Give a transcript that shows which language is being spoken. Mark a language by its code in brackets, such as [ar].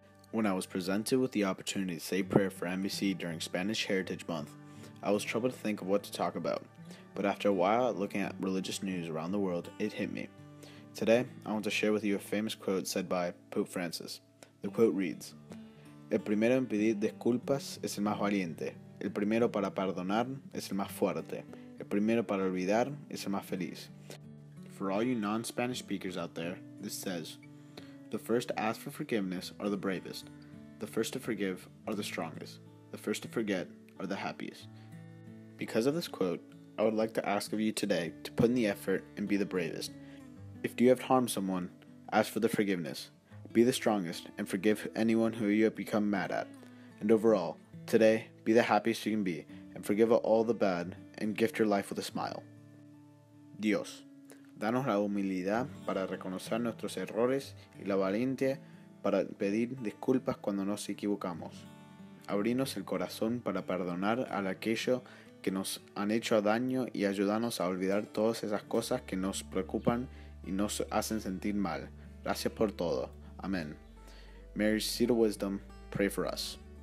[en] When I was presented with the opportunity to say prayer for NBC during Spanish Heritage Month, I was troubled to think of what to talk about. But after a while looking at religious news around the world, it hit me. Today, I want to share with you a famous quote said by Pope Francis. The quote reads, [es] El primero en pedir disculpas es el más valiente. El primero para perdonar es el más fuerte. El primero para olvidar es el más feliz. [en] For all you non-Spanish speakers out there, this says, The first to ask for forgiveness are the bravest. The first to forgive are the strongest. The first to forget are the happiest. Because of this quote, I would like to ask of you today to put in the effort and be the bravest. If you have harmed someone, ask for the forgiveness. Be the strongest and forgive anyone who you have become mad at. And overall, today, be the happiest you can be and forgive all the bad and gift your life with a smile. [es] Dios, danos la humildad para reconocer nuestros errores y la valentía para pedir disculpas cuando nos equivocamos. Abrinos el corazón para perdonar a aquello que nos han hecho daño y ayudarnos a olvidar todas esas cosas que nos preocupan y nos hacen sentir mal. Gracias por todo. Amén. [en] Mary's seat of wisdom, pray for us.